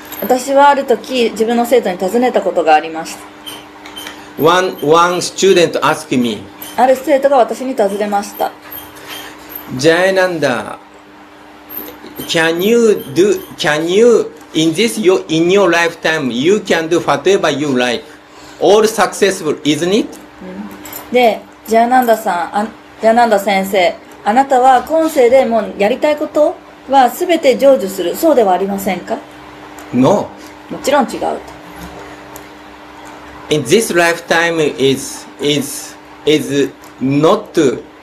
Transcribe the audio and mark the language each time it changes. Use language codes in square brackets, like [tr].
[ja] 私はある時自分の生徒に尋ねたことがありました。 [en] One student asked me. [ja] ある生徒が私に尋ねました。 [en] Jayananda, in your lifetime, you can do whatever you like. All successful, isn't it? [ja] で、ジャナンダ先生、あなたは今世でもやりたいことはすべて成就する、そうではありませんか? [en] No. [ja] もちろん違うと。 [en] In this lifetime is not